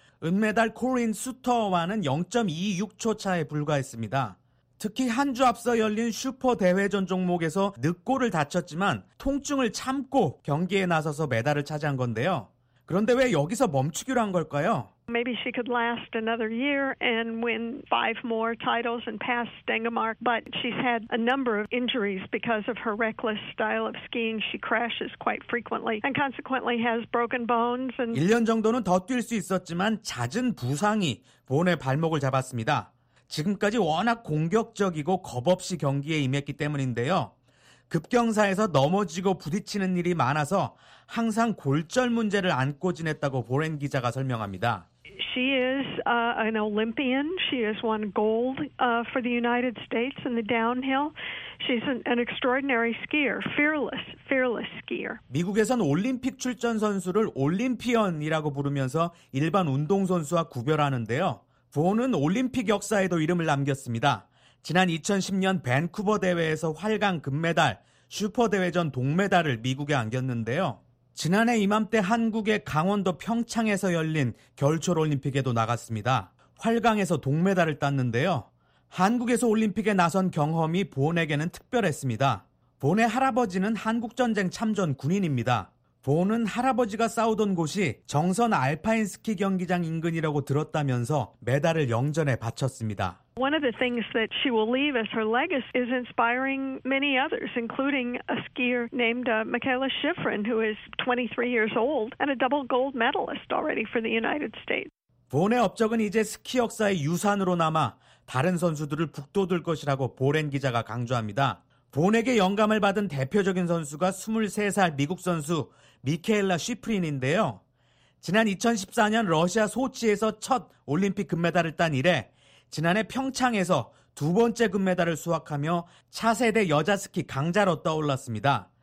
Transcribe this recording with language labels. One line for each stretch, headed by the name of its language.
Korean: 은메달 코린 수터와는 0.26초 차에 불과했습니다. 특히 한 주 앞서 열린 슈퍼대회전 종목에서 늑골을 다쳤지만 통증을 참고 경기에 나서서 메달을 차지한 건데요. 그런데 왜 여기서 멈추기로 한 걸까요?
English: Maybe she could last another year and win five more titles and pass Stengemark, but she's had a number of injuries because of her reckless style of skiing. She crashes quite frequently and consequently has broken bones.
Korean: 1년 정도는 더 뛸 수 있었지만 잦은 부상이 본의 발목을 잡았습니다. 지금까지 워낙 공격적이고 겁없이 경기에 임했기 때문인데요. 급경사에서 넘어지고 부딪히는 일이 많아서 항상 골절 문제를 안고 지냈다고 보렌 기자가 설명합니다.
English: She is an Olympian. She has won gold for the United States in the downhill. She's an extraordinary skier, fearless skier.
Korean: 미국에선 올림픽 출전 선수를 올림피언이라고 부르면서 일반 운동 선수와 구별하는데요. 본은 올림픽 역사에도 이름을 남겼습니다. 지난 2010년 밴쿠버 대회에서 활강 금메달, 슈퍼대회전 동메달을 미국에 안겼는데요. 지난해 이맘때 한국의 강원도 평창에서 열린 겨울철 올림픽에도 나갔습니다. 활강에서 동메달을 땄는데요. 한국에서 올림픽에 나선 경험이 본에게는 특별했습니다. 본의 할아버지는 한국전쟁 참전 군인입니다. 본은 할아버지가 싸우던 곳이 정선 알파인 스키 경기장 인근이라고 들었다면서 메달을 영전에 바쳤습니다.
English: One of the things that she will leave as her legacy is inspiring many others, including a skier named Michaela Schifrin, who is 23 years old and a double gold medalist already for the United States.
Korean: 본의 업적은 이제 스키 역사의 유산으로 남아 다른 선수들을 북돋을 것이라고 보렌 기자가 강조합니다. 본에게 영감을 받은 대표적인 선수가 23살 미국 선수 미케일라 쉬프린인데요. 지난 2014년 러시아 소치에서 첫 올림픽 금메달을 딴 이래 지난해 평창에서 두 번째 금메달을 수확하며 차세대 여자 스키 강자로 떠올랐습니다.